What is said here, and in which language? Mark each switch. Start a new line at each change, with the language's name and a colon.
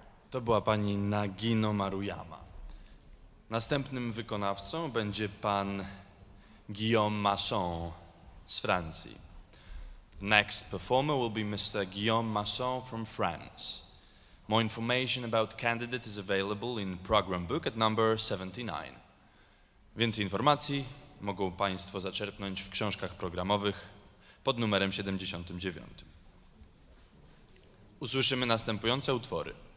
Polish: To była pani Nagino Maruyama. Następnym wykonawcą będzie pan Guillaume Masson z Francji.
English: The next performer will be Mr. Guillaume Masson from France. More information about candidate is available in program book at number 79.
Polish: Więcej informacji mogą państwo zaczerpnąć w książkach programowych pod numerem 79. Usłyszymy następujące utwory.